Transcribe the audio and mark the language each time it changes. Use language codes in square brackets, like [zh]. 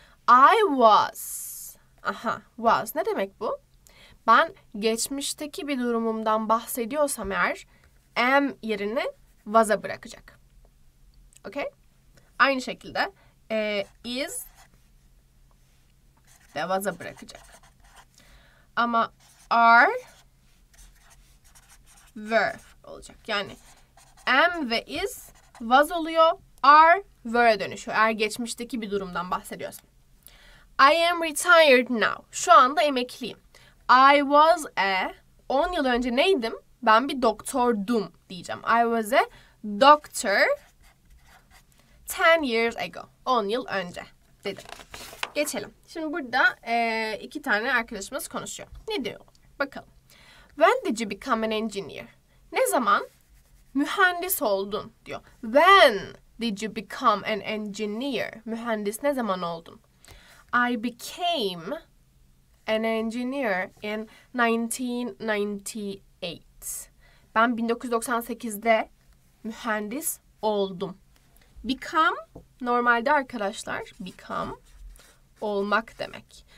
[en] I was. Aha. Was. [tr] Ne demek bu? Ben geçmişteki bir durumumdan bahsediyorsam eğer am yerini was'a bırakacak. Okay? Aynı şekilde is de was'a bırakacak. Ama are were olacak. Yani am ve is was oluyor. Are were'e dönüşüyor. Eğer geçmişteki bir durumdan bahsediyorsam. [en] I am retired now. [tr] Şu anda emekliyim. [en] I was a... [tr] 10 yıl önce neydim? Ben bir doktordum diyeceğim. [en] I was a doctor 10 years ago. [tr] 10 yıl önce dedim. Geçelim. Şimdi burada iki tane arkadaşımız konuşuyor. Ne diyor? Bakalım. [en] When did you become an engineer? [tr] Ne zaman mühendis oldun diyor. [en] When did you become an engineer? [tr] Mühendis ne zaman oldun? [en] I became an engineer in 1998. [tr] Ben 1998'de mühendis oldum. Become normalde arkadaşlar become olmak demek.